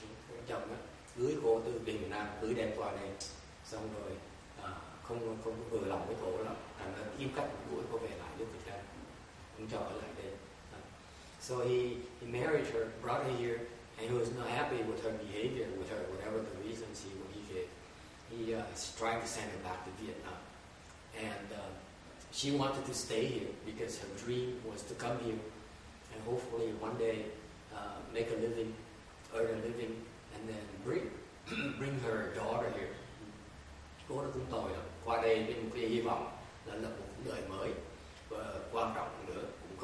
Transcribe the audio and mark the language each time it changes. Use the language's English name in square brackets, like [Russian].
[Vietnamese] Ông chồng á, cưới cô từ Việt Nam, cưới đem qua đây, xong rồi không vừa lòng với cô lắm, thành ra kiếm cách cưới cô về lại nước Việt Nam. Ông chồng ở lại đây. [English] So he married her, brought her here, and he was not happy with her behavior, with her whatever the reasons he gave. He is trying to send her back to Vietnam, and she wanted to stay here because her dream was to come here. And hopefully one day make a living, earn a living, and then bring her daughter here. [Vietnamese] Cô đó cũng tội lắm. Qua đây với một cái hy vọng là lập một đời mới. Và quan trọng nữa, cũng